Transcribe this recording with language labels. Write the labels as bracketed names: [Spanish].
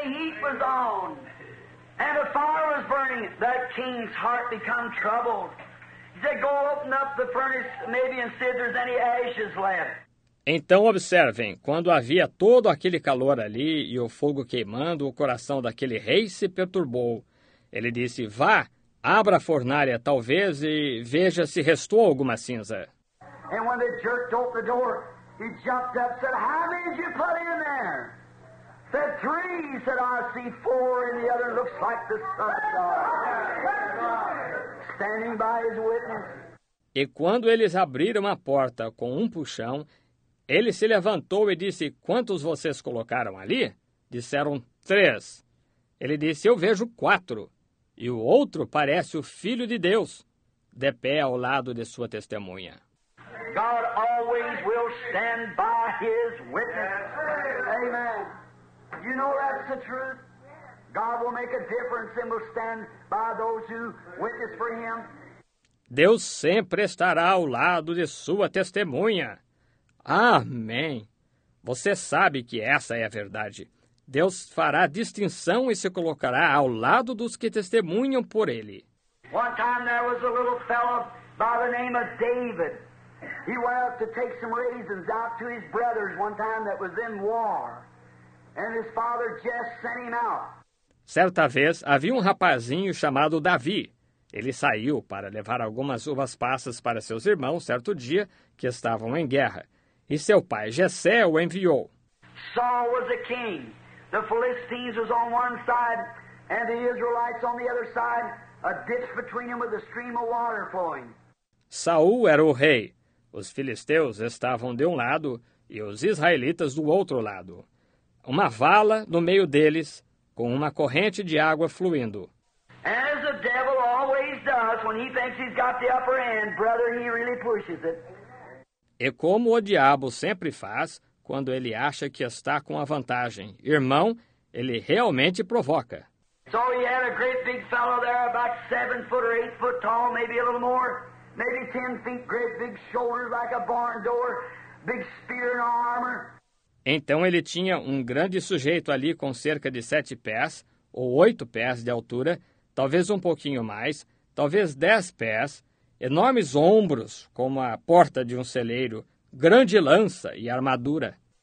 [English] heat was on, and the fire was burning, that king's heart become troubled. He said, go open up the furnace maybe and see if there's any ashes left. [Portuguese] Então observem, quando havia todo aquele calor ali e o fogo queimando, o coração daquele rei se perturbou. Ele disse, vá, abra a fornalha talvez e veja se restou alguma cinza. [English] And when they jerked open the door, he jumped up, said, how many did you put in there? Said, three. He said, I see four, and the other looks like the sun god. Standing by his witness. [Portuguese] E quando eles abriram a porta com um puxão, ele se levantou e disse, quantos vocês colocaram ali? Disseram, três. Ele disse, eu vejo quatro. E o outro parece o Filho de Deus, de pé ao lado de sua testemunha. [English] God always will stand by his witness. Amen. You know that's the truth? God will make a difference and will stand by those who witness for him. [Portuguese] Deus sempre estará ao lado de sua testemunha. Amém. Você sabe que essa é a verdade. Deus fará distinção e se colocará ao lado dos que testemunham por ele. [English] One time there was a little fellow by the name of David. He went out to take some raisins out to his brothers one time that was in war. And his father just sent him out. [Portuguese] Certa vez, havia um rapazinho chamado Davi. Ele saiu para levar algumas uvas passas para seus irmãos certo dia que estavam em guerra. E seu pai Jessé o enviou. [English] Saul was a king. The Philistines was on one side and the Israelites on the other side, a ditch between them with a stream of water flowing. [Portuguese] Saul era o rei. Os filisteus estavam de um lado e os israelitas do outro lado. Uma vala no meio deles com uma corrente de água fluindo. [English] As the devil always does when he thinks he's got the upper hand, brother, he really pushes it. [Portuguese] E como o diabo sempre faz, quando ele acha que está com a vantagem, irmão, ele realmente provoca. [English] So he had a great big fellow there, about 7 foot or 8 foot tall, maybe a little more, maybe 10 feet, great big shoulders like a barn door, big spear and armor. [Portuguese] Então ele tinha um grande sujeito ali com cerca de 7 pés, ou 8 pés de altura, talvez um pouquinho mais, talvez 10 pés, enormes ombros, como a porta de um celeiro, grande lança e armadura.